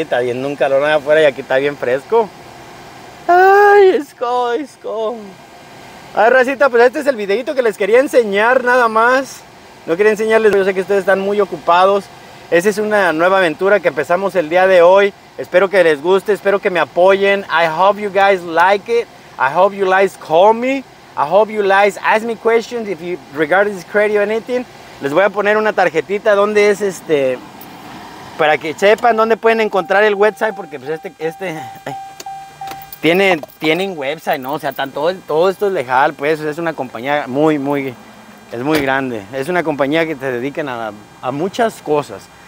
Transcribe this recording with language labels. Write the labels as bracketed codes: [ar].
[es] Está viendo un calor allá afuera y aquí está bien fresco. Ay, es cold. Ay, racita, pues este es el videito que les quería enseñar nada más. No quería enseñarles, yo sé que ustedes están muy ocupados. Esa es una nueva aventura que empezamos el día de hoy. Espero que les guste, espero que me apoyen. [en] I hope you guys like it. I hope you guys call me. I hope you guys ask me questions if you regard this credit or anything. [es] Les voy a poner una tarjetita donde es este... Para que sepan dónde pueden encontrar el website porque pues este tienen website, ¿no? O sea, están todo esto es legal, pues es una compañía muy... Es muy grande, es una compañía que te dedican a muchas cosas.